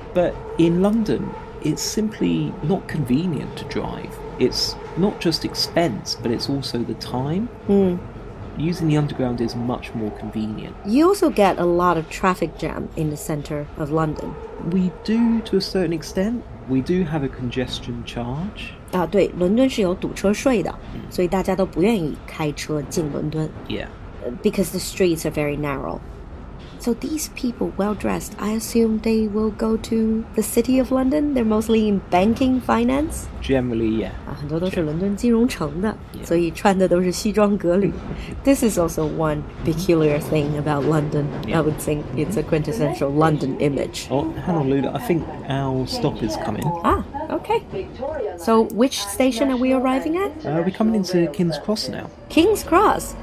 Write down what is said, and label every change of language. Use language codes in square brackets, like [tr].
[en] But in London, it's simply not convenient to drive. It's not just expense, but it's also the time. Mm. Using the underground is much more convenient. You also get a lot of traffic jam in the centre of London. We do, to a certain extent. We do have a congestion charge. [zh] 啊，对，伦敦是有堵车税的，所以大家都不愿意开车进伦敦。 [en] Yeah. Because the streets are very narrow. So these people, well-dressed, I assume they will go to the City of London? They're mostly in banking, finance? Generally, yeah. [zh] 啊，很多都是伦敦金融城的，所以穿的都是西装革履。 [en] This is also one peculiar thing about London. Yeah. I would think it's a quintessential London image. Oh, hang on, Luda. I think our stop is coming. Ah, okay. So which station are we arriving at? We're coming into King's Cross now. King's Cross?